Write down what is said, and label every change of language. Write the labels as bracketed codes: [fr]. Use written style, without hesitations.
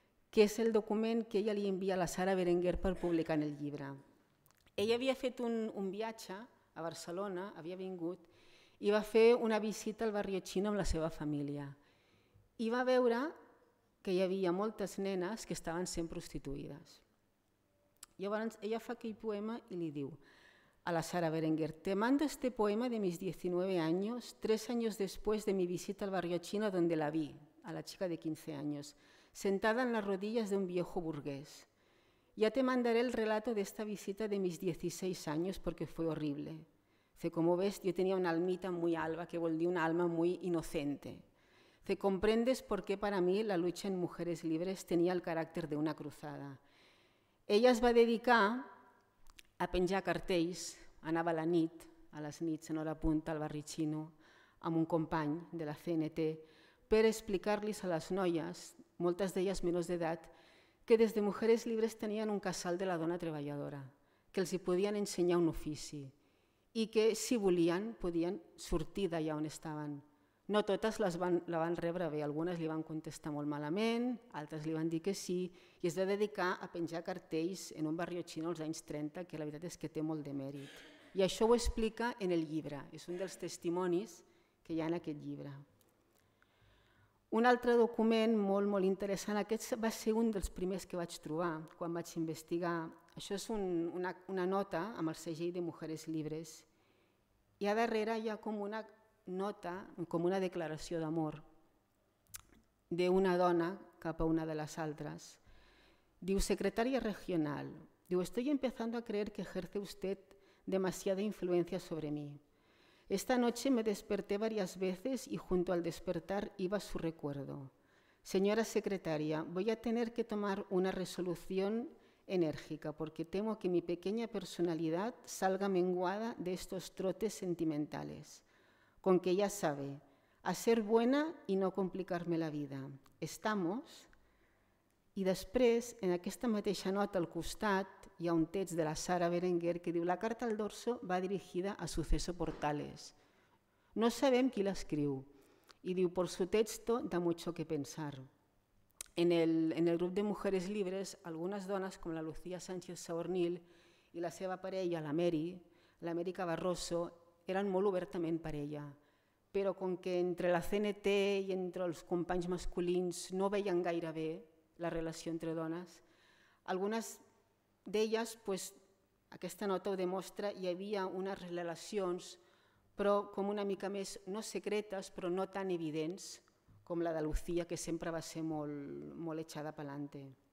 [ca] que és el document que ella li envia a la Sara Berenguer per publicar en el llibre. Ella havia fet un viatge a Barcelona, havia vingut, i va fer una visita al barri xino amb la seva família. I va veure que hi havia moltes nenes que estaven sent prostituïdes. Llavors, ella fa aquell poema i li diu a la Sara Berenguer: [es] te mando este poema de mis 19 años, 3 años después de mi visita al barrio chino donde la vi, a la chica de 15 años, sentada en las rodillas de un viejo burgués. Ya te mandaré el relato de esta visita de mis 16 años porque fue horrible. Dice, como ves, yo tenía una almita muy alba, que volví una alma muy inocente. Dice, comprendes por qué para mí la lucha en mujeres libres tenía el carácter de una cruzada. [ca] Ella es va dedicar a penjar cartells, anava a la nit, a les nits, en hora punta, al barri xino, amb un company de la CNT, per explicar-los a les noies, moltes d'elles menors d'edat, que des de Mujeres Libres tenien un casal de la dona treballadora, que els hi podien ensenyar un ofici i que, si volien, podien sortir d'allà on estaven. No totes la van rebre bé, algunes li van contestar molt malament, altres li van dir que sí, i es va dedicar a penjar cartells en un barri xino als anys 30, que la veritat és que té molt de mèrit. I això ho explica en el llibre, és un dels testimonis que hi ha en aquest llibre. Un altre document molt, molt interessant, aquest va ser un dels primers que vaig trobar quan vaig investigar. Això és una nota amb el segell de Mujeres Libres, i a darrere hi ha com una nota, com una declaració d'amor d'una dona cap a una de les altres. Diu, secretària regional, diu, [es] estoy empezando a creer que ejerce usted demasiada influencia sobre mí. Esta noche me desperté varias veces y junto al despertar iba su recuerdo. Señora secretaria, voy a tener que tomar una resolución enérgica porque temo que mi pequeña personalidad salga menguada de estos trotes sentimentales. Con que ya sabe, a ser buena y no complicarme la vida. Estamos. [ca] I després, en aquesta mateixa nota al costat, hi ha un text de la Sara Berenguer que diu, la carta al dorso va dirigida a Suceso Portales. No sabem qui l'escriu. I diu, [es] por su texto da mucho que pensar. [ca] En el grup de Mujeres Libres, algunes dones, com la Lucía Sánchez Saornil i la seva parella, l'Amèrica Barroso, eren molt obertament parella, però com que entre la CNT i entre els companys masculins no veien gaire bé la relació entre dones, algunes d'elles, pues, aquesta nota ho demostra, hi havia unes relacions, però com una mica més, no secretes, però no tan evidents com la de Lucía, que sempre va ser molt, molt [es] echada pelante.